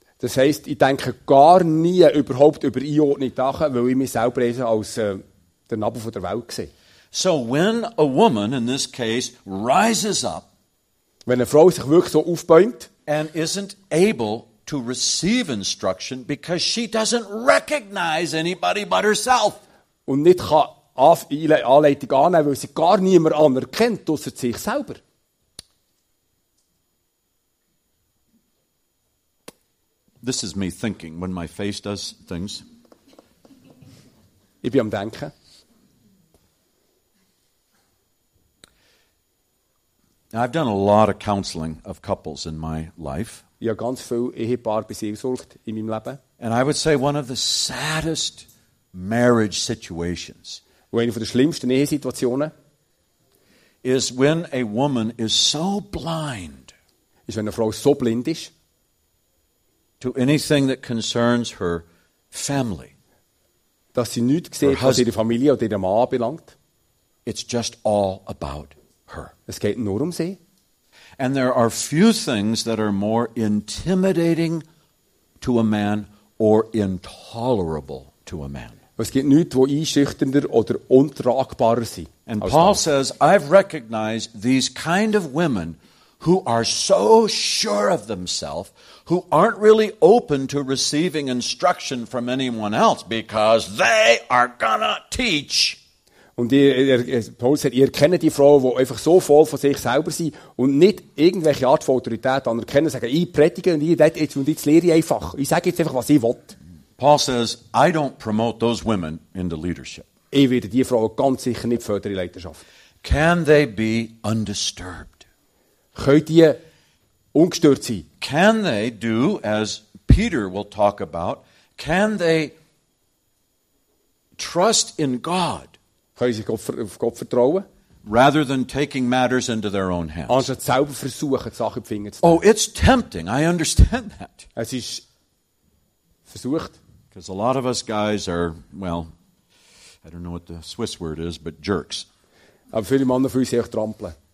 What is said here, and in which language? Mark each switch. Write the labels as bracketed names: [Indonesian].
[German] Das heisst, ich denke gar nie überhaupt über Einordnung nach, weil ich mich selber lese als der Nabel von der Welt sehe. [English] So when a woman in this case rises up, [German] wenn eine Frau sich wirklich so aufbäumt [English] and isn't able to receive instruction because she doesn't recognize anybody but herself, [German] und nicht kann Anleitung annehmen, weil sie gar niemand anerkennt, außer sich selber. [English] This is me thinking when my face does things. [German] Ich bin am Denken. [English] Now, I've done a lot of counseling of couples in my life. [German] Ich habe ganz viel Ehepaar beseelsorgt in meinem Leben. [English] And I would say one of the saddest marriage situations. [German] Eine von den schlimmsten Ehesituationen [English] is when a woman is so blind. [German] Ist, wenn eine Frau so blind ist. [English] To anything that concerns her family. [German] Dass sie nichts sieht, was ihre Familie oder ihren Mann belangt. [English] It's just all about her. [German] Es geht nur um sie. [English] And there are few things that are more intimidating to a man or intolerable to a man. [German] Es gibt nichts, wo einschüchternder oder untragbarer sind. [English] And Paul says, I've recognized these kind of women who are so sure of themselves, who aren't really open to receiving instruction from anyone else because they are gonna teach. [German] Und Paul sagt, ihr kennt die Frauen, die einfach so voll von sich selber sind und nicht irgendwelche Art von Autorität anerkennen, sagen, ich predige und jetzt lehre ich einfach. Ich sage jetzt einfach, was ich will. [English] Paul says, I don't promote those women in the leadership. [German] Ich werde die Frauen ganz sicher nicht fördern in Leiterschaft. [English] Can they be undisturbed? [German] Können die ungestört sein? [English] Can they do, as Peter will talk about, can they trust in God? [German] Können sie auf Gott vertrauen? [English] Rather than taking matters into their own hands. [German] Also selber versuchen, die Sache in die Finger zu nehmen. [English] Oh, it's tempting. I understand that. [German] Es ist versucht. [English] Because a lot of us guys are, well, I don't know what the Swiss word is, but jerks. [German] Aber viele Männer fühlen sich auch trampeln.